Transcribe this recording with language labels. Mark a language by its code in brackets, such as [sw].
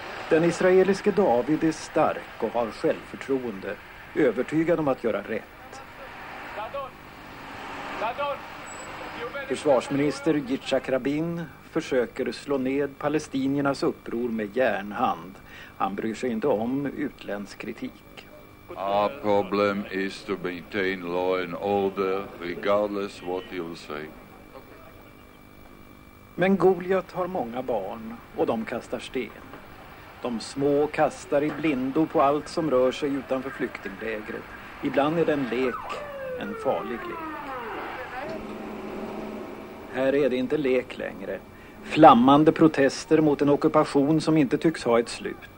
[sv] Den israeliske David är stark och har självförtroende, övertygad om att göra rätt. Försvarsminister Yitzhak Rabin försöker slå ned palestiniernas uppror med järnhand. Han bryr sig inte om utländsk kritik. [en] Our problem is to maintain law and order regardless what you say. [sv] Men Goliat har många barn och de kastar sten. De små kastar i blindo på allt som rör sig utanför flyktinglägret. Ibland är det en lek, en farlig lek. Här är det inte lek längre. Flammande protester mot en ockupation som inte tycks ha ett slut.